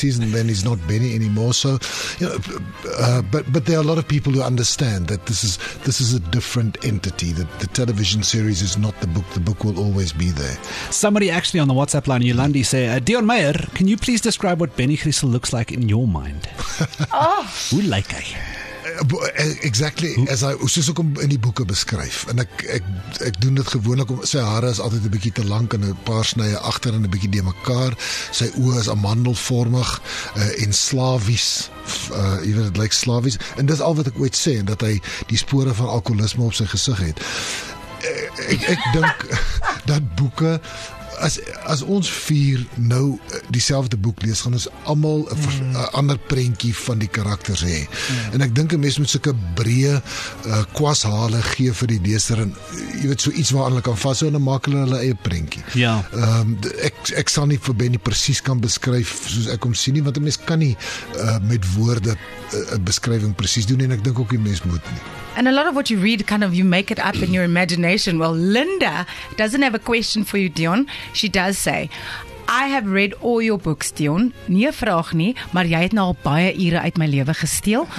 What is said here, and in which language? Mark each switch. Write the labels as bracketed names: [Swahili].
[English] And then he's not Benny anymore. So, you know, but there are a lot of people who understand that this is a different entity. That the television series is not the book. The book will always be there. Somebody actually on the WhatsApp line, Yolandi, say, Deon Meyer, can you please describe what Benny Grissel looks like in your mind? Who like I? [Afrikaans] Exactly as I soos ek hom in die boeke beskryf en ek doen dit gewoonlik om sy hare is altyd 'n bietjie te lank en 'n paar snye agter en 'n bietjie de mekaar sy oë is amandelvormig en slawies jy weet dit lyk slawies en dis al wat ek ooit sê en dat hy die spore van alkoholisme op sy gesig het ek dink dat boeke As ons vier nou dieselfde boek lees, gaan ons almal 'n ander prentjie van die karakters hê. Mm. En ek dink 'n mens moet sulke breë kwashale gee vir die leser en jy weet so iets waaraan hulle kan vashou en maak hulle hulle eie prentjie. Ja. Ek sal nie vir Benny presies kan beskryf soos ek hom sien nie, want 'n mens kan nie met woorde 'n beskrywing presies doen en ek dink ook die mens moet nie. [English] And a lot of what you read, kind of you make it up in your imagination. Well, Linda doesn't have a question for you, Deon. She does say, I have read all your books, Deon. [Afrikaans] Nie 'n vraag nie, maar jy het nou al baie ure uit my lewe gesteel.